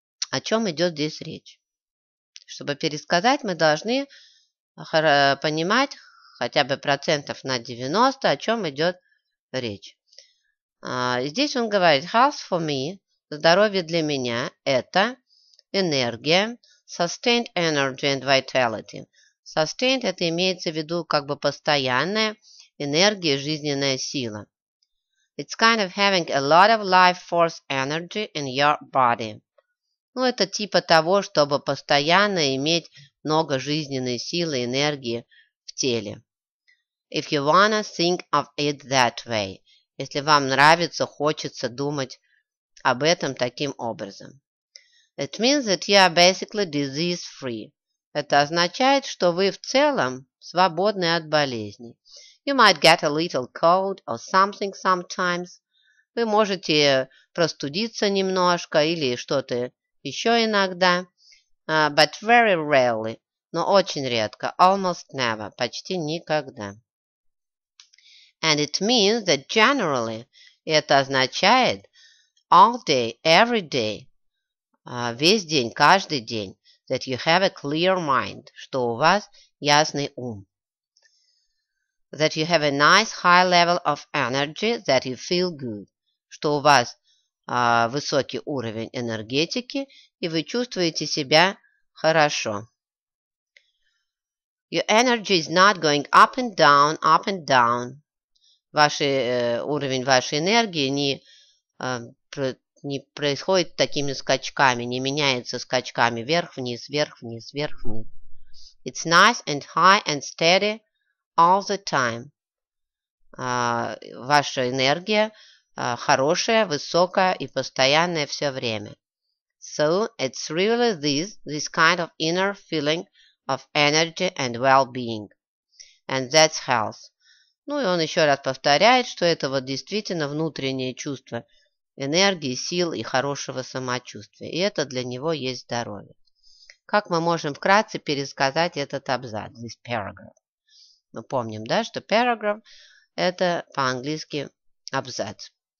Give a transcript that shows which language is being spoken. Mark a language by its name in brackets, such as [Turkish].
[Russian] О чем идет здесь речь? Чтобы пересказать, мы должны понимать хотя бы процентов на 90, о чем идет речь. Здесь он говорит, [English] health for me, [Russian] здоровье для меня, это энергия, [English] sustained energy and vitality. [Russian] Sustained – это имеется в виду как бы постоянная энергия, жизненная сила. [English] It's kind of having a lot of life force energy in your body. [Russian] Ну, это типа того, чтобы постоянно иметь много жизненной силы, энергии в теле. [English] If you wanna think of it that way. [Russian] Если вам нравится, хочется думать об этом таким образом. [English] It means that you are basically disease free. [Russian] Это означает, что вы в целом свободны от болезней. [English] You might get a little cold or something sometimes. [Russian] Вы можете простудиться немножко или что-то. Еще иногда, [English] but very rarely, [Russian] но очень редко, [English] almost never, [Russian] почти никогда. [English] And it means that generally, [Russian] это означает [English] all day, every day, [Russian] весь день, каждый день, [English] that you have a clear mind, [Russian] что у вас ясный ум. [English] That you have a nice high level of energy, that you feel good, [Russian] что у вас высокий уровень энергетики, и вы чувствуете себя хорошо. [English] Your energy is not going up and down, up and down. [Russian] Уровень вашей энергии не происходит такими скачками, не меняется скачками вверх-вниз, вверх-вниз, вверх-вниз. [English] It's nice and high and steady all the time. [Russian] Ваша энергия хорошая, высокая и постоянная все время. [English] So, it's really this kind of inner feeling of energy and well-being. And that's health. [Russian] Ну и он еще раз повторяет, что это вот действительно внутреннее чувство энергии, сил и хорошего самочувствия. И это для него есть здоровье. Как мы можем вкратце пересказать этот абзац, [English] this paragraph? [Russian] Мы помним, да, что paragraph – это по-английски абзац.